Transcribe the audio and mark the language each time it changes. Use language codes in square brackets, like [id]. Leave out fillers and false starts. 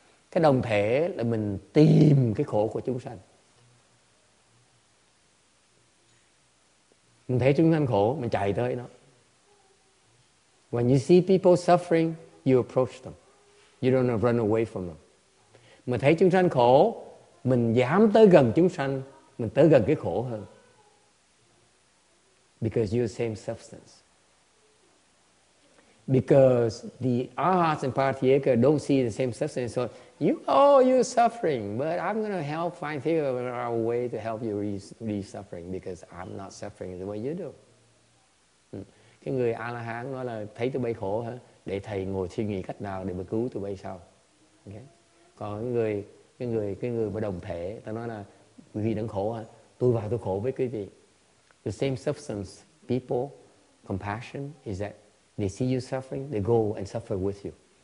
[vi] Cái đồng thể là mình tìm cái khổ của chúng sanh. Mình thấy chúng sanh khổ, mình chạy tới nó. [en] When you see people suffering, you approach them. You don't run away from them. [vi] Mình thấy chúng sanh khổ, mình dám tới gần chúng sanh, mình tới gần cái khổ hơn. [en] Because you're the same substance. Because the arhats and paratheka don't see the same substance, so you're suffering, but I'm going to help find a way to help you release suffering because I'm not suffering the way you do. [vi] Cái người A-la-hán nói là thấy tụi bay khổ hả? Để thầy ngồi suy nghĩ cách nào để mà cứu tụi bay sau. Okay. Còn cái người mà đồng thể, ta nói là quý vị đang khổ hả? Tôi vào tôi khổ với quý vị. [en] The same substance, people, compassion, is that they see you suffering, they go and suffer with you.